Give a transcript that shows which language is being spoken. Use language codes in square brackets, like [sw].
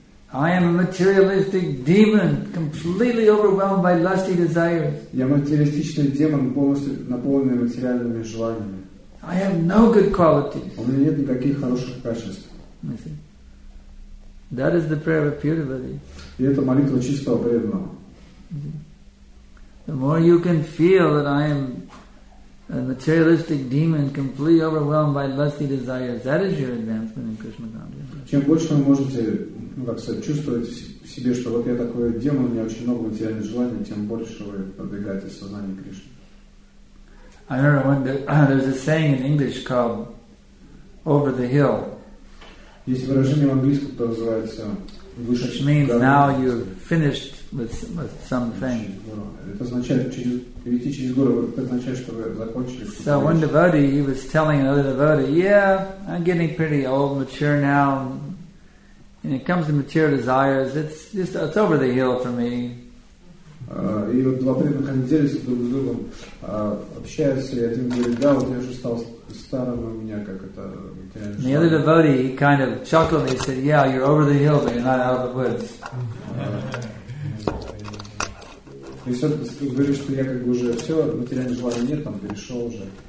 [en] I am a materialistic demon, completely overwhelmed by lusty desires. [ru] Я материалистичный демон, полностью наполненный материальными желаниями. [en] I have no good qualities. [ru] У меня нет никаких хороших качеств. [en] That is the prayer of pure devotee. [ru] И это молитва чистого преданного. [en] The more you can feel that I am a materialistic demon, completely overwhelmed by lusty desires, that is your advancement in Krishna consciousness. [ru] Чем больше вы можете, ну, как сказать, чувствовать в себе, что вот я такой демон, у меня очень много материальных желаний, тем больше вы продвигаете сознание Кришны. [en] I remember when there's a saying in English called "over the hill." [ru] Есть выражение в английском, которое называется "выше". [en] Which means now you've finished with something. [ru] Это означает перейти через горы. Это означает, что вы закончили. [en] So one devotee, he was telling another devotee, "Yeah, I'm getting pretty old, mature now. And it comes to material desires. It's over the hill for me." [ru] И вот два преданных они делятся друг с другом, общаются, и один говорит, да, вот я уже стал старым, у меня как это... [en] The other devotee, he kind of chuckled, he said, yeah, you're over the hill, but you're not out of the woods. [ru] И все-таки говорит, что я как бы уже все, материальных желаний нет, там перешел уже.